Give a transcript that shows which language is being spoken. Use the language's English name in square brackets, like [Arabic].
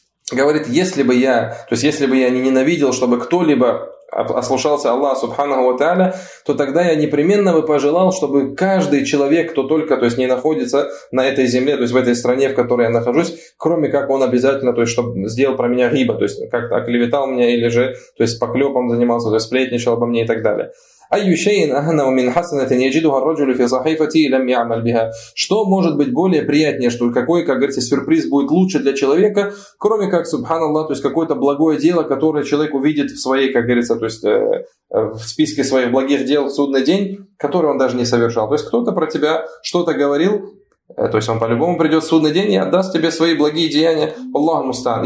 [Russian] Говорит: «Если бы я, то есть если бы я не ненавидел, чтобы кто-либо ослушался Аллаха Субханаху ва Тааля, то тогда я непременно бы пожелал, чтобы каждый человек, кто только, то есть не находится на этой земле, то есть в этой стране, в которой я нахожусь, кроме как он обязательно, то есть чтобы сделал про меня гиба, то есть как-то оклеветал меня, или же, то есть поклёпом занимался, то есть сплетничал обо мне и так далее». [Arabic] أي شيء أهنا من حسنة يجدها الرجل في صحيفته لم يعمل بها. [Russian] Что может быть более приятнее, что какой, как говорится, сюрприз будет лучше для человека, кроме как субханаллах, то есть какое-то благое дело, которое человек увидит в своей, как говорится, то есть в списке своих благих дел в судный день, который он даже не совершал. То есть кто-то про тебя что-то говорил, то есть он по-любому придет в судный день и отдаст тебе свои благие деяния, Аллаху Мустаан.